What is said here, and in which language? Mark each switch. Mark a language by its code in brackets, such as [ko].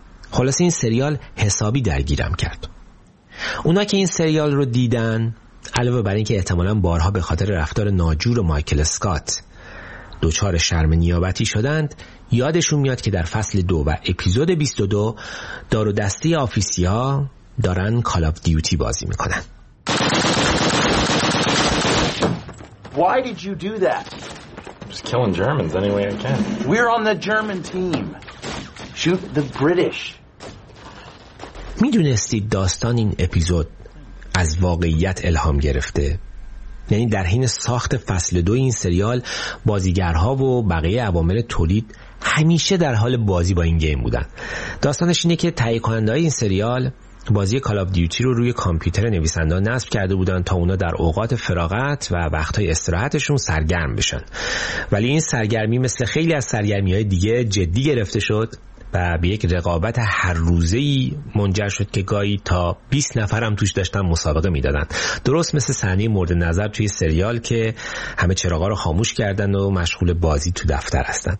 [fa] خلاصه این سریال حسابی درگیرم کرد. اونا که این سریال رو دیدن علاوه بر این که احتمالا بارها به خاطر رفتار ناجور مایکل اسکات دوچار شرم نیابتی شدند، یادشون میاد که در فصل دو و اپیزود 22 دار و دسته آفیسی ها دارن کال آف دیوتی بازی میکنن. [en] Why did you do that? I'm just killing Germans any way I can. We're on the German team. Shoot the British. [fa] میدونستید داستان این اپیزود از واقعیت الهام گرفته؟ یعنی در حین ساخت فصل دو این سریال بازیگرها و بقیه عوامل تولید همیشه در حال بازی با این گیم بودن. داستانش اینه که تهیه کننده این سریال بازی کال آف دیوتی رو روی کامپیوتر نویسنده نصب کرده بودن تا اونا در اوقات فراغت و وقتهای استراحتشون سرگرم بشن، ولی این سرگرمی مثل خیلی از سرگرمی‌های دیگه جدی گرفته شد و به یک رقابت هر روزه‌ای منجر شد که گاهی تا 20 نفر هم توش داشتن مسابقه میدادن، درست مثل صحنه مورد نظر توی سریال که همه چراغا رو خاموش کردن و مشغول بازی تو دفتر هستن.